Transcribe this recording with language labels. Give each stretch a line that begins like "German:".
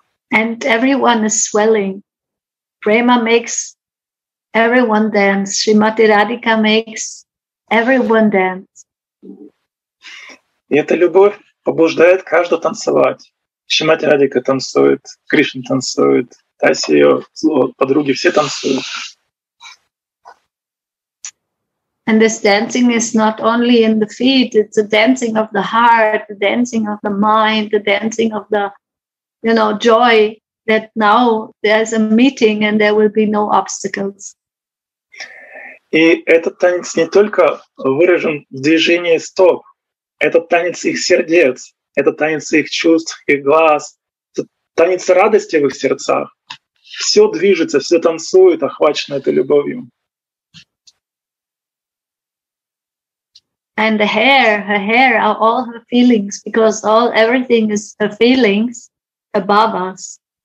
English: And everyone is swelling. Prema makes everyone dance. Shrimati Radhika makes everyone dance.
Russian: И эта любовь побуждает каждого танцевать. Шримати Радхика танцует, Кришна танцует, Таси ее подруги все танцуют.
English: And this dancing is not only in the feet, it's a dancing of the heart, the dancing of the mind, the dancing of the, you know, joy that now there's a meeting and there will be no obstacles.
Russian: И этот танец не только выражен в движении стоп, этот танец их сердец, Это танец их чувств, их глаз, это танец радости в их сердцах. Все движется, все танцует, охвачено этой любовью.
English: And her hair are all her feelings, because all everything is her feelings above us.